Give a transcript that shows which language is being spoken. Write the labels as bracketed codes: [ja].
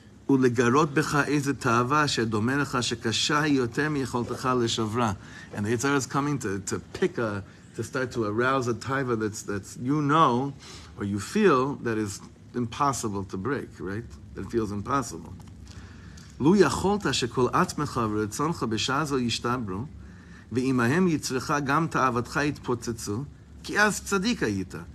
[he] ולגרות בך איזה תאווה שדומה לך שקשה היא יותר מיכולתך לשברה. [en] And the Yitzhar is coming to start to arouse a taiva that's you know, or you feel, that is impossible to break, right? That feels impossible. [he] לו יכולת שכל עצמך ורצונך בשעה זו ישתברו, ואימהם יצריך גם תאוותך יתפוצצו, כי אז צדיק היית.